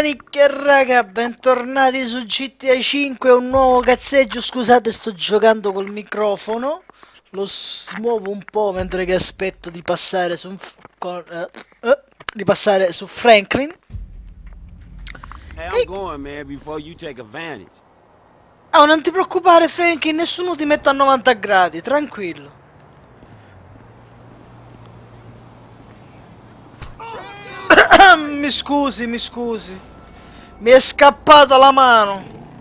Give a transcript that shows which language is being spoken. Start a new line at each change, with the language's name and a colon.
Italian: Che raga, bentornati su GTA 5, un nuovo cazzeggio. Scusate, sto giocando col microfono. Lo smuovo un po' mentre che aspetto di passare su Franklin.
English: Hey, I'm going, man, before you take advantage.
Italian: Oh, non ti preoccupare, Franklin, nessuno ti mette a 90 gradi, tranquillo. mi scusi. Mi è scappata la mano.